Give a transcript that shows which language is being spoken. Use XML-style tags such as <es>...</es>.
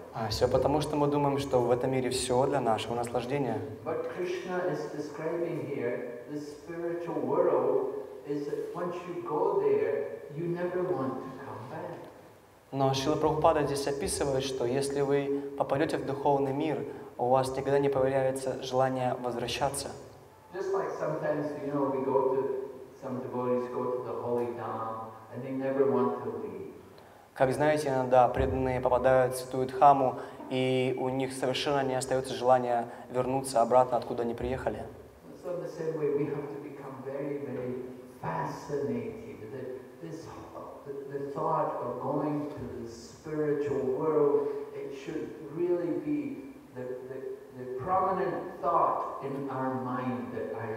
<ru>Все потому, что мы думаем, что в этом мире все для нашего наслаждения.</ru> <en>But Krishna is describing here the spiritual world is that once you go there, you never want to come back.</en> <ru>Но Шрила Прабхупада здесь описывает, что если вы попадете в духовный мир, у вас никогда не появляется желание возвращаться.</ru> <en>Just like sometimes, you know, we go to some devotees go to the holy dham and they never want to leave.</en> <ru>Как знаете, иногда преданные попадают в святую дхаму и у них совершенно не остается желания вернуться обратно, откуда они приехали.</ru> <en>So in the same way, we have to become very, very fascinated that this the thought of going to the spiritual world, it should really be the prominent thought in our mind that</en>